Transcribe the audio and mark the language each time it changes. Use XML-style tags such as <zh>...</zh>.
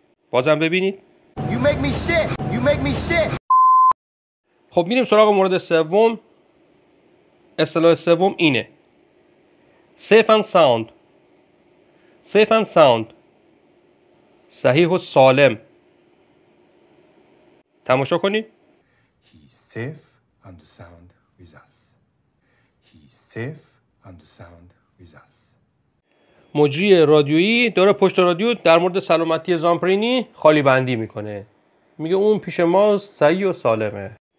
<fa>بازم ببینید</fa> <en>You make me sick.</en> <fa>خب میریم سراغ مورد سوم. اصطلاح سوم اینه:</fa> <en>Safe and sound</en> <fa>صحیح و سالم. تماشا کنید.</fa> <en>He's safe and sound with us.</en> <fa>مجری رادیویی داره پشت رادیو در مورد سلامتی زامپرینی خالی بندی میکنه، میگه اون پیش ما صحیح و سالمه.</fa>